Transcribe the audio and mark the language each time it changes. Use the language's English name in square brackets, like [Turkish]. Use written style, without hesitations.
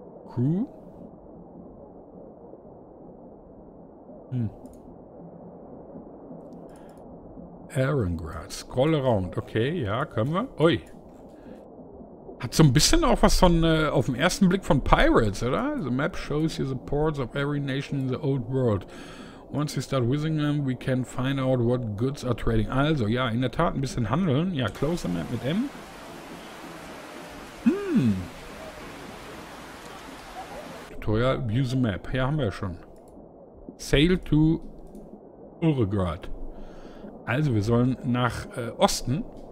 [English] Crew. [German] Arengrad. [English] Scroll around. [German] Okay, ja, können wir. Ui. Hat so ein bisschen auch was von, auf den ersten Blick von Pirates, oder? [English] The map shows you the ports of every nation in the old world. Once you start visiting them, we can find out what goods are trading. [German] Also, ja, in der Tat ein bisschen handeln. [English] Ja, close the map mit M. Tutorial, view the map. [German] Ja, haben wir ja schon. [English] Sail to Uregrad. [German] Also, wir sollen nach Osten.